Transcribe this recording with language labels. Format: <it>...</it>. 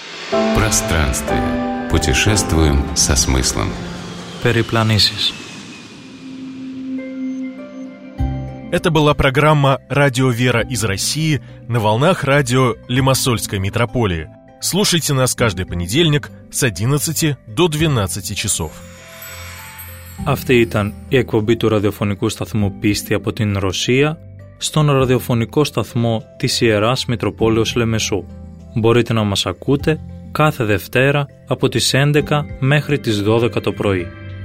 <ru>Пространстве. Путешествуем со смыслом.</ru> <el>Περιπλανήσεις.</el> <ru>Это была программа «Радио Вера из России» на волнах радио Лимассольской митрополии. Слушайте нас каждый понедельник с 11 до 12 часов.</ru> <el>Αυτή ήταν η εκπομπή του ραδιοφωνικού σταθμού «Πίστη» από την Ρωσία στον ραδιοφωνικό σταθμό της Ιεράς Μητροπόλεως Λεμεσού. Μπορείτε να μας ακούτε κάθε Δευτέρα από τις 11 μέχρι τις 12 το πρωί.</el>